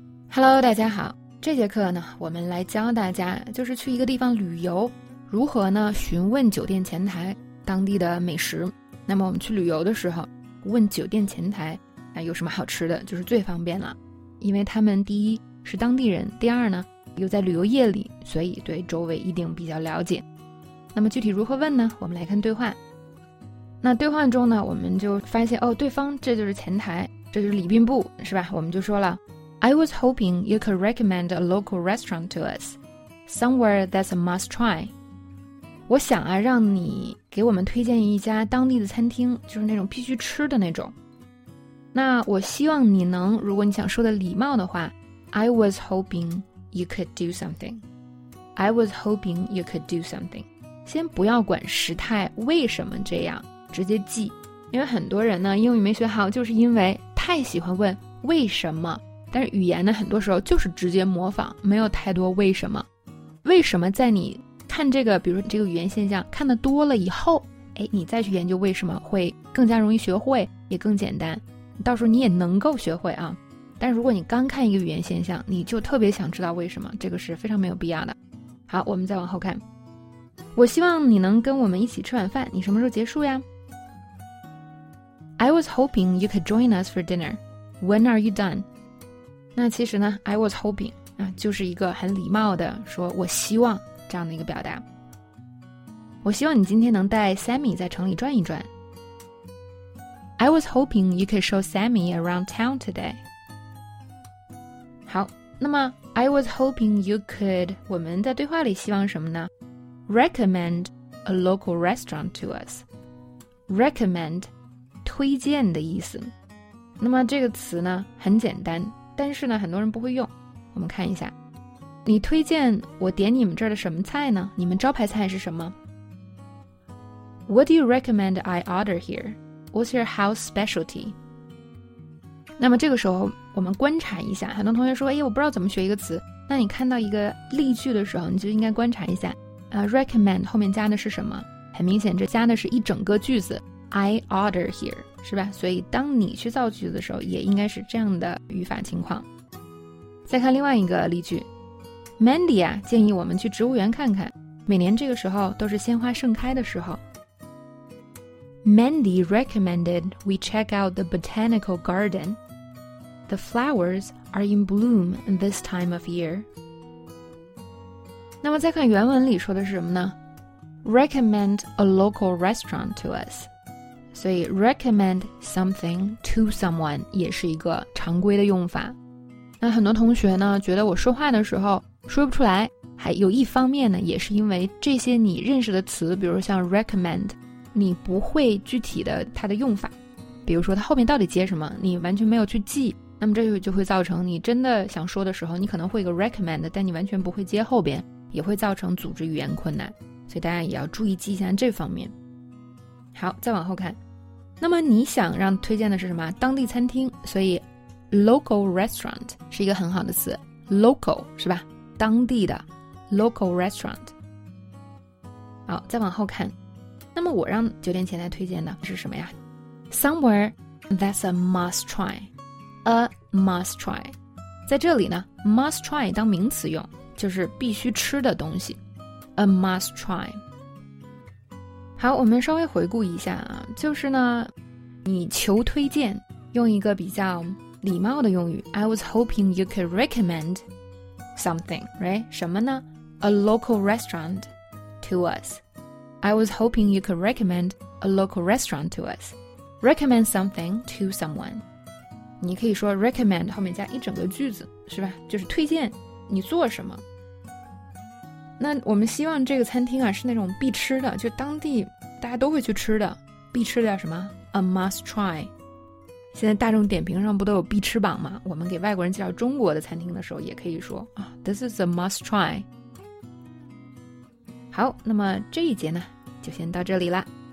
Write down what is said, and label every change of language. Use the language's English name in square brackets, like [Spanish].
[Chinese] Hello， 大家好，这节课呢我们来教大家，就是去一个地方旅游如何呢询问酒店前台当地的美食。那么我们去旅游的时候问酒店前台有什么好吃的，就是最方便了，因为他们第一是当地人，第二呢又在旅游业里，所以对周围一定比较了解。那么具体如何问呢，我们来看对话。那对话中呢我们就发现，哦，对方这就是前台，这就是礼宾部是吧，我们就说了， [English] I was hoping you could recommend a local restaurant to us, somewhere that's a must try. [Chinese] 我想啊，让你给我们推荐一家当地的餐厅，就是那种必须吃的那种。那我希望你能，如果你想说的礼貌的话， [English] I was hoping you could do something. I was hoping you could do something. [Chinese] 先不要管时态，为什么这样，直接记。因为很多人呢，英语没学好，就是因为太喜欢问为什么。但是语言呢很多时候就是直接模仿，没有太多为什么。为什么在你看这个，比如说这个语言现象看得多了以后，哎，你再去研究为什么会更加容易学会，也更简单，到时候你也能够学会啊。但是如果你刚看一个语言现象你就特别想知道为什么，这个是非常没有必要的。好，我们再往后看。我希望你能跟我们一起吃晚饭，你什么时候结束呀？ [English] I was hoping you could join us for dinner. When are you done? [Chinese] 那其实呢 [English] I was hoping、 [Chinese] 就是一个很礼貌的说我希望这样的一个表达。我希望你今天能带 Sammy 在城里转一转。 [English] I was hoping you could show Sammy around town today. [Chinese] 好，那么 [English] I was hoping you could， [Chinese] 我们在对话里希望什么呢？ [English] Recommend a local restaurant to us. [Chinese] Recommend 推荐的意思。那么这个词呢很简单，但是呢很多人不会用。我们看一下，你推荐我点你们这儿的什么菜呢？你们招牌菜是什么？ [English] What do you recommend I order here? What's your house specialty? [Chinese] 那么这个时候我们观察一下，很多同学说，哎，我不知道怎么学一个词。那你看到一个例句的时候你就应该观察一下、recommend 后面加的是什么。很明显这加的是一整个句子， [English] I order here, [Chinese] 是吧？所以当你去造句的时候也应该是这样的语法情况。再看另外一个例句， Mandy 啊建议我们去植物园看看，每年这个时候都是鲜花盛开的时候。 [English] Mandy recommended we check out the botanical garden. The flowers are in bloom this time of year. [Chinese] 那么再看原文里说的是什么呢？ [English] Recommend a local restaurant to us. [Chinese] 所以 [English] recommend something to someone [Chinese] 也是一个常规的用法。那很多同学呢觉得我说话的时候说不出来，还有一方面呢也是因为这些你认识的词，比如像 recommend 你不会具体的它的用法，比如说它后面到底接什么你完全没有去记，那么这就会造成你真的想说的时候你可能会一个 recommend 但你完全不会接后边，也会造成组织语言困难，所以大家也要注意记一下这方面。好，再往后看。那么你想让推荐的是什么？当地餐厅。所以 local restaurant 是一个很好的词。 local 是吧？当地的 local restaurant。好，再往后看。那么我让酒店前台推荐的是什么呀？ [English] somewhere that's a must try. A must try. [Chinese] 在这里呢 must try 当名词用，就是必须吃的东西。A must try. 好，我们稍微回顾一下啊，就是呢你求推荐，用一个比较礼貌的用语， [English] I was hoping you could recommend something, right? [Chinese] 什么呢？ [English] A local restaurant to us. I was hoping you could recommend a local restaurant to us. Recommend something to someone. [Chinese] 你可以说 recommend 后面加一整个句子，是吧？就是推荐你做什么。那我们希望这个餐厅啊是那种必吃的，就当地大家都会去吃的，必吃的叫什么？ [English] A must try。 [Chinese] 现在大众点评上不都有必吃榜吗？我们给外国人介绍中国的餐厅的时候也可以说、 [English] This is a must try。 [Chinese] 好，那么这一节呢就先到这里了。